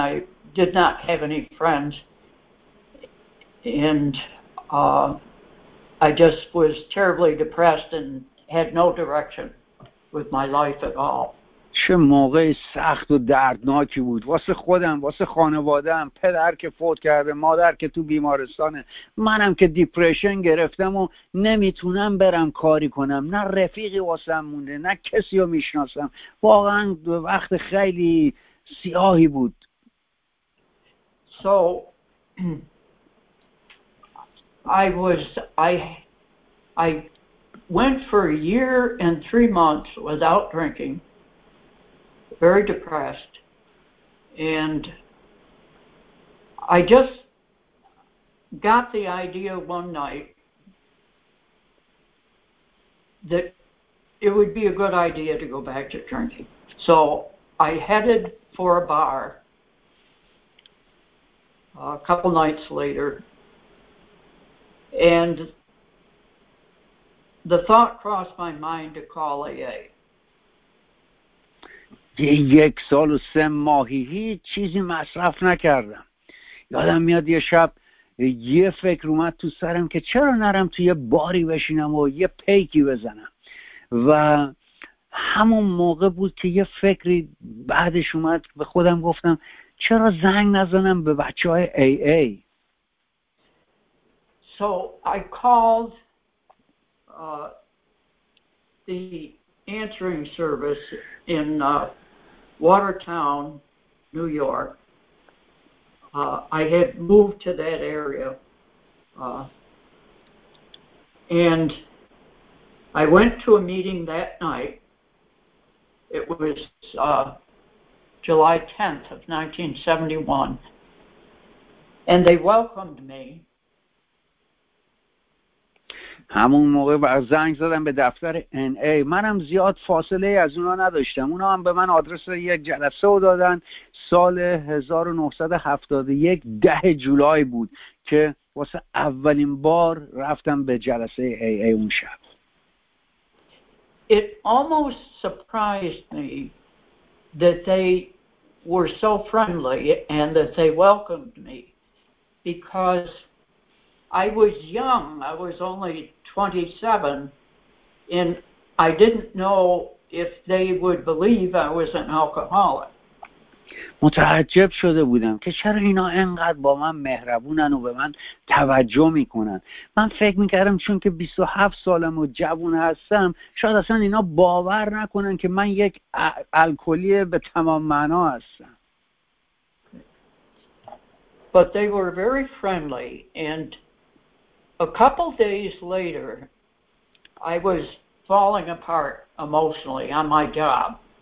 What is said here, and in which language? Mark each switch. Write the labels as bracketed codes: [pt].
[en] I did not have any friends, and I just was terribly depressed and had no direction with my life at all. [fa] چه موقع سخت و دردناکی بود واسه خودم، واسه خانواده‌ام، پدر که فوت کرده، مادر که تو بیمارستانه، منم که دیپریشن گرفتم و نمیتونم برم کاری کنم، نه رفیقی واسم مونده، نه کسی رو میشناسم. واقعا وقت خیلی سیاهی بود. [en] So I went for a year and 3 months without drinking. Very depressed, and I just got the idea one night that it would be a good idea to go back to drinking. So I headed for a bar a couple nights later, and the thought crossed my mind to call AA. [fa] یک سال و سه ماهی هیچ چیزی مصرف نکردم. یادم میاد یه شب یه فکر اومد تو سرم که چرا نرم توی یه باری بشینم و یه پیکی بزنم، و همون موقع بود که یه فکری بعدش اومد به خودم، گفتم چرا زنگ نزنم به بچه های AA. [en] So I called the answering service in Watertown, New York. I had moved to that area. And I went to a meeting that night. It was July 10th of 1971. And they welcomed me. [fa] همون موقع زنگ زدم به دفتر NA. منم زیاد فاصله از اونا نداشتم، اونا هم به من آدرس یک جلسه رو دادن. سال 1971 ده جولای بود که واسه اولین بار رفتم به جلسه AA اون شب. [en] It almost surprised me that they were so friendly and that they welcomed me, because I was young. I was only 27, and I didn't know if they would believe I was an alcoholic. [fa] متعجب شده بودم که چرا اینا انقدر با من مهربونن و به من توجه میکنن. من فکر میکردم چون که 27 سالم و جوون هستم، شاید اصلا اینا باور نکنن که من یک الکلی به تمام معنا هستم. [en] But they were very friendly, and a couple days later, I was falling apart emotionally on my job.